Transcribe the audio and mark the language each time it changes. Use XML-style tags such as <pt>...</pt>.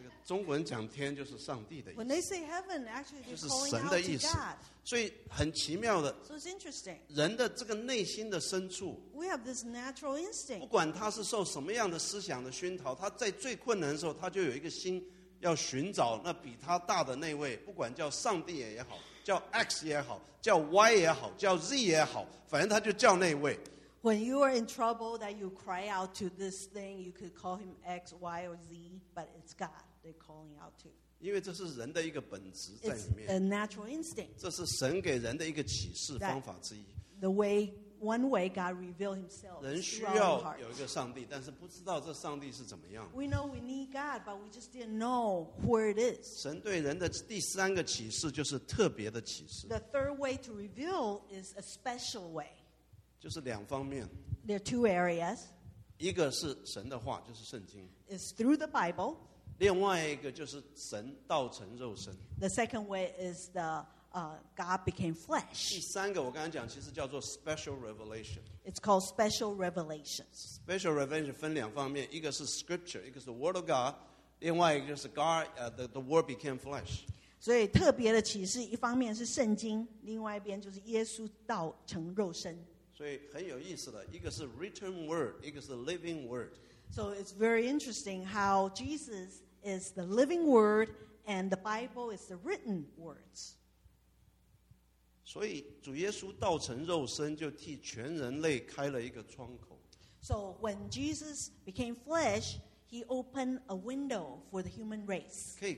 <zh>中国人讲天就是上帝的意思。</zh> <en>When they say heaven, actually they're calling out to God.</en> <zh>所以很奇妙的,</zh> <en>so it's interesting.</en> <zh>人的这个内心的深处,</zh> <en>we have this natural instinct.</en> <zh>不管他是受什么样的思想的熏陶, 他在最困难的时候, 他就有一个心要寻找那比他大的那位, 不管叫上帝也好, 叫X也好, 叫Y也好, 叫Z也好, 反正他就叫那位。</zh> <en>When you are in trouble that you cry out to this thing, you could call him X, Y, or Z, but it's God they're calling out to.</en> <zh>因为这是人的一个本质在里面。</zh> <en>It's a natural instinct.</en> <zh>这是神给人的一个启示方法之一。</zh> <en>The way, one way God revealed himself.</en> <zh>人需要有一个上帝, 但是不知道这上帝是怎么样。</zh> <en>We know we need God, but we just didn't know where it is.</en> <zh>神对人的第三个启示就是特别的启示。</zh> <en>The third way to reveal is a special way.</en> <zh>就是两方面。</zh> <en>There are two areas.</en> <zh>一个是神的话, 就是圣经。</zh> <en>It's through the Bible.</en> <zh>另外一个就是神道成肉身。</zh> <en>The second way is the God became flesh.</en> <zh>第三个我刚才讲, 其实叫做</zh> <en>special revelation. It's called special revelation. Special revelation</en> <zh>分两方面, 一个是 scripture, 一个是</zh> <en>word of God,</en> <zh>另外一个就是</zh> <en>God, the word became flesh.</en> <zh>所以特别的启示, 一方面是圣经, 另外一边就是耶稣道成肉身。所以很有意思的, 一个是</zh> <en>written word,</en> <zh>一个是</zh> <en>living word. So it's very interesting how Jesus is the living word and the Bible is the written words.</en> <zh>所以主耶稣道成肉身就替全人类开了一个窗口。</zh> <en>So when Jesus became flesh, he opened a window for the human race.</en>